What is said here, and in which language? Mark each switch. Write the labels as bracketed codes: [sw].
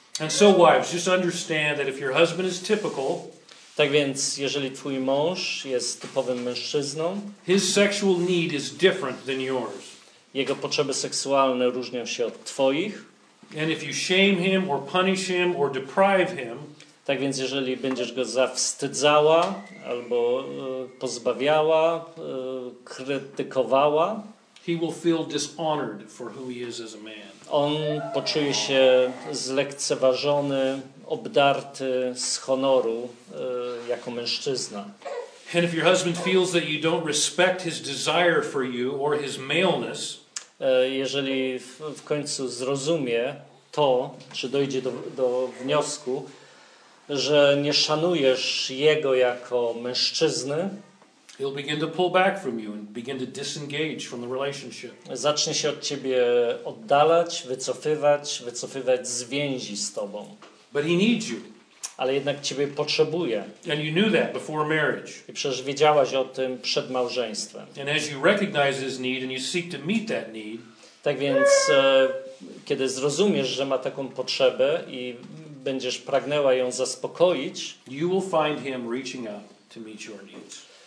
[en] And so wives, just understand that if your husband is typical, [pl] tak więc jeżeli twój mąż jest typowym mężczyzną, [en] his sexual need is different than yours. [pl] Jego potrzeby seksualne różnią się od twoich. [en] And if you shame him or punish him or deprive him, [pl] tak więc jeżeli będziesz go zawstydzała albo pozbawiała, krytykowała, [en] he will feel dishonored for who he is as a man. [pl] On poczuje się zlekceważony, obdarty z honoru jako mężczyzna. [en] And if your husband feels that you don't respect his desire for you or his maleness, [pl] jeżeli w końcu zrozumie to, czy dojdzie do wniosku, że nie szanujesz jego jako mężczyzny, [en] he'll begin to pull back from you and begin to disengage from the relationship. [pl] Zacznie się od ciebie oddalać, wycofywać z więzi z tobą. [en] But he needs you. [pl] Ale jednak ciebie potrzebuje. [en] And you knew that before marriage. [pl] I przecież wiedziałaś o tym przed małżeństwem. [en] And as you recognize his need and you seek to meet that need, [pl] tak więc kiedy zrozumiesz, że ma taką potrzebę i będziesz pragnęła ją zaspokoić, [en] you will find him reaching out to meet your needs.